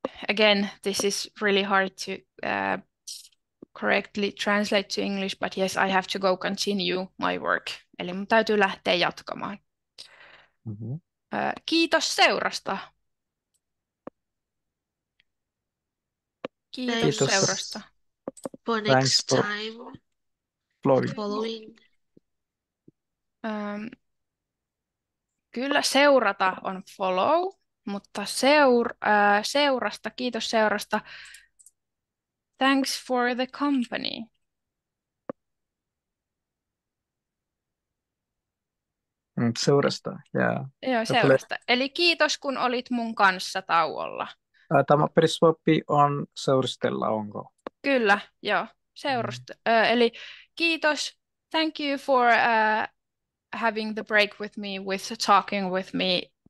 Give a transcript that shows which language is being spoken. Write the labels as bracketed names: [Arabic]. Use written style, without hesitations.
[English] Again, this is really hard to correctly translate to English, but yes, I have to go continue my work. [Finnish] Eli mun täytyy lähteä jatkamaan. Kiitos seurasta. Kiitos seurasta. [English] For next thanks time. For following. [Finnish] Kyllä seurata on follow, mutta seurasta, kiitos seurasta. [English] Thanks for the company. [Finnish] Seurasta, jaa. Yeah. Joo, seurasta. Eli kiitos, kun olit mun kanssa tauolla. Tämä periswappi on seurustella, onko? Kyllä, joo. Seurustella. Mm-hmm. Eli kiitos. [English] Thank you for having the break with me, with talking with me.